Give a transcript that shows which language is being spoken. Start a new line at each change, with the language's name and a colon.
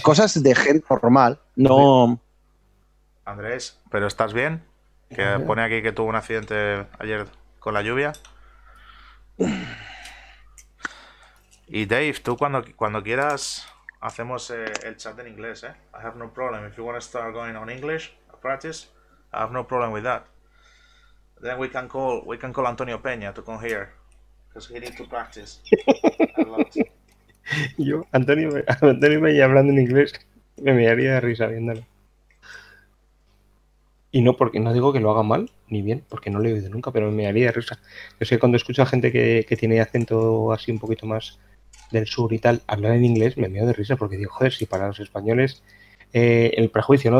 Spanish: Cosas de gente normal, Oye, no. Andrés, ¿pero estás bien? Que pone aquí que tuvo un accidente ayer con la lluvia. Y Dave, tú cuando quieras hacemos el chat en inglés, ¿eh?
English: I have no problem. If you want to start going on English, practice, I have no problem with that. Then we can call Antonio Peña to come here, because he needs to practice a lot.
Spanish: Yo, Antonio me iba hablando en inglés, me haría de risa viéndolo. Y no porque no digo que lo haga mal ni bien, porque no lo he oído nunca, pero me haría de risa. Yo sé que cuando escucho a gente que tiene acento así un poquito más del sur y tal, hablar en inglés, me meo de risa porque digo, joder, si para los españoles el prejuicio, ¿no?